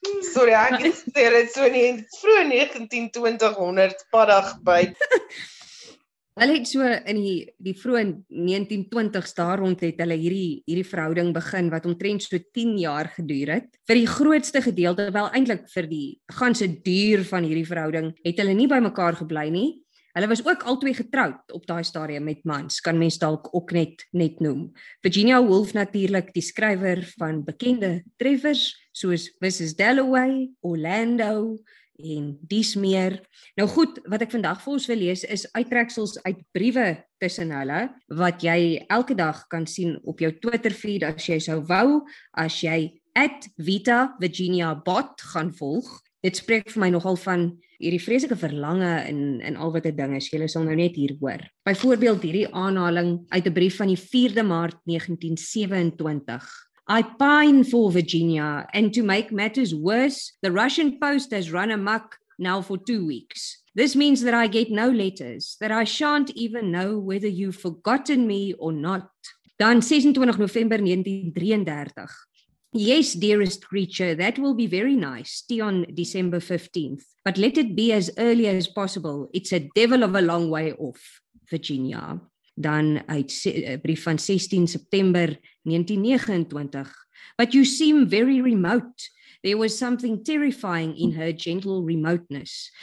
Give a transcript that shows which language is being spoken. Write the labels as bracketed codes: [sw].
[af] Sorry, ek het sê dit so in die vroeë 1920s, paddag byt. Hulle het so in die vroeë 1920s daar rond het hulle hierdie verhouding begin wat omtrent so 10 jaar geduur het. Vir die grootste gedeelte, wel eintlik vir die ganse duur van hierdie verhouding, het hulle nie by mekaar gebly nie. Hulle was ook albei getroud op daai stadium met mans, kan mens dalk ook net noem. Virginia Woolf natuurlik, die skrywer van bekende treffers soos Mrs. Dalloway, Orlando en dies meer. Nou goed, wat ek vandag vir ons wil lees is uittreksels uit briewe tussen hulle, wat jy elke dag kan sien op jou Twitter feed as jy sou wou, as jy @VitaVirginiaBot gaan volg. Dit spreek vir my nogal van hierdie vreselike verlange in al wat 'n ding is. Julle sal nou net hier hoor. Byvoorbeeld hierdie aanhaling uit 'n brief van die 4de Maart 1927. [en] I pine for Virginia, and to make matters worse, the Russian post has run amok now for 2 weeks. This means that I get no letters, that I shan't even know whether you've forgotten me or not. [af] Dan [en] 26 November 1933. Yes, dearest creature, that will be very nice, tea on December 15th, but let it be as early as possible. It's a devil of a long way off, Virginia. [af] Dan uit brief van 16 September 1929. [en] But you seem very remote. There was something terrifying in her gentle remoteness.